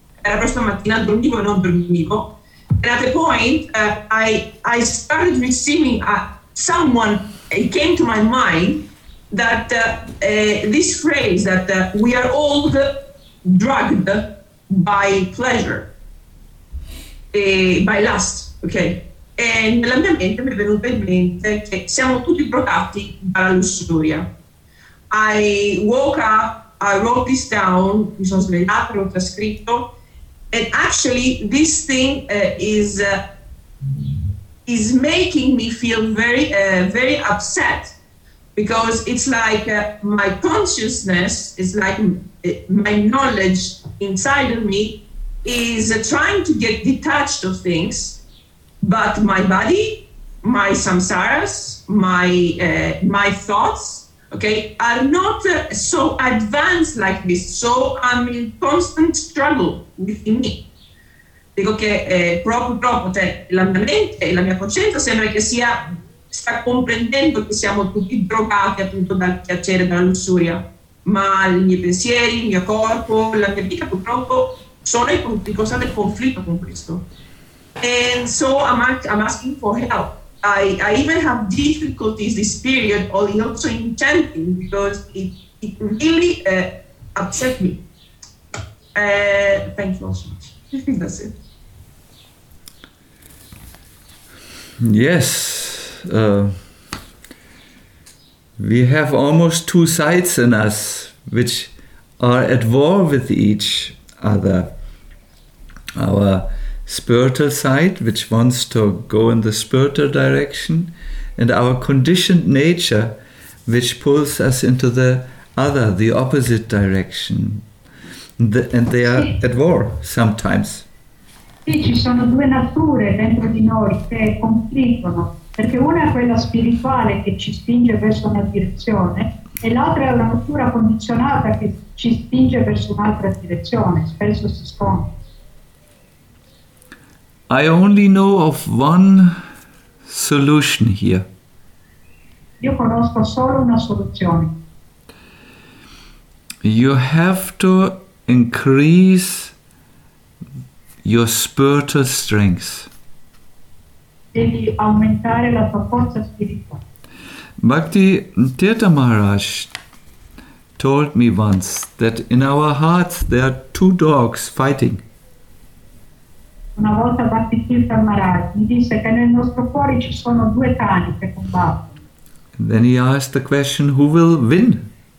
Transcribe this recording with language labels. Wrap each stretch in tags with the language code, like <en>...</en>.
<it>Era presto mattina, dormivo e non dormivo.</it> <en>And at the point, I started receiving someone, it came to my mind, that this phrase, that we are all drugged by pleasure. By lust, ok?</en> <it>E nella mia mente mi è venuto in mente che siamo tutti protatti dalla lussuria.</it> <en>I woke up, I wrote this down,</en> <it>mi sono svegliato, l'ho trascritto,</it> <en>and actually this thing is making me feel very, very upset, because it's like my consciousness, it's like my knowledge inside of me is trying to get detached of things, but my body, my samsaras, my thoughts, okay, are not so advanced like this. So I'm in constant struggle within me.</en> <it>Dico che proprio, cioè, la mia mente e la mia coscienza sembra che sta comprendendo che siamo tutti drogati appunto dal piacere, dalla lussuria, ma i miei pensieri, il mio corpo, la mia vita purtroppo sono in costante conflitto con questo.</it> <en>And so I'm asking for help. I even have difficulties this period, also in chanting, because it really upset me. Thank you all so much. That's it. Yes. We have almost two sides in us, which are at war with each other. Our spiritual side, which wants to go in the spiritual direction, and our conditioned nature, which pulls us into the other, the opposite direction. And they are at war sometimes.</en> <it>Sì, ci sono due nature dentro di noi che conflittono, perché una è quella spirituale che ci spinge verso una direzione, e l'altra è la natura condizionata che ci spinge verso un'altra direzione, spesso si scontra.</it> <en>I only know of one solution here.</en> <it>Io conosco solo una soluzione.</it> <en>You have to increase your spiritual strength.</en> <it>Devi aumentare la tua forza spirituale.</it> <en>Bhakti Tirtha Maharaj told me once that in our hearts there are two dogs fighting.</en> <it>Una volta Bhakti Tirtha Maharaj mi disse che nel nostro cuore ci sono due cani che combattono.</it> <en>Then he asked the question, who will win?</en>